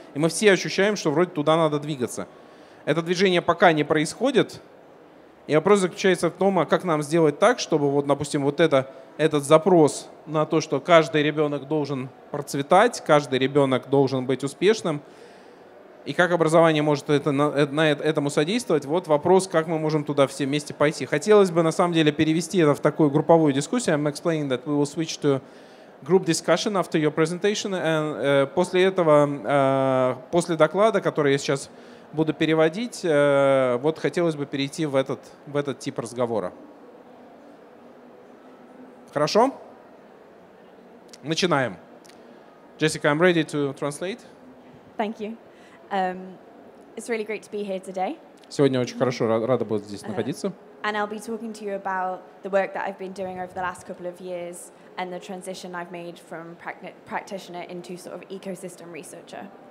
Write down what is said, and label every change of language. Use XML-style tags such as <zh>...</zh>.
<ru>И мы все ощущаем, что вроде туда надо двигаться. Это движение пока не происходит, и вопрос заключается в том, а как нам сделать так, чтобы, вот, допустим, вот этот запрос на то, что каждый ребенок должен процветать, каждый ребенок должен быть успешным, и как образование может этому содействовать? Вот вопрос, как мы можем туда все вместе пойти. Хотелось бы на самом деле перевести это в такую групповую дискуссию.</ru> <en>I'm explaining that we will switch to group discussion after your presentation.</en> <ru>And, после этого, после доклада, который я сейчас буду переводить, вот хотелось бы перейти в этот тип разговора. Хорошо? Начинаем. Джессика,</ru> <en>I'm ready to translate. Thank you. It's really great to be here today.</en> <ru>Сегодня очень хорошо, рада была здесь находиться.</ru> <en>And I'll be talking to you about the work that I've been doing over the last couple of years and the transition I've made from practitioner into sort of ecosystem researcher.</en>